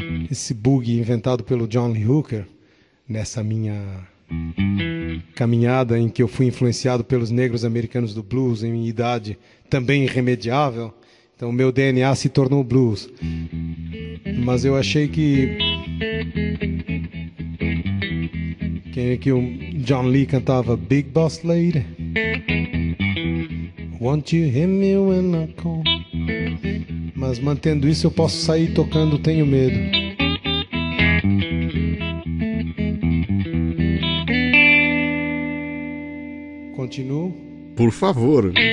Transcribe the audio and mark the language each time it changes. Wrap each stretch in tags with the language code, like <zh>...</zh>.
<pt>Esse bug inventado pelo John Lee Hooker nessa minha caminhada em que eu fui influenciado pelos negros americanos do blues em minha idade, também irremediável. Então, meu DNA se tornou blues. Mas eu achei que... Quem é que o John Lee cantava?</pt> <en>Big Boss Lady. Won't you hear me when I call?</en> <pt>Mas mantendo isso, eu posso sair tocando Tenho Medo. Continuo? Por favor.</pt>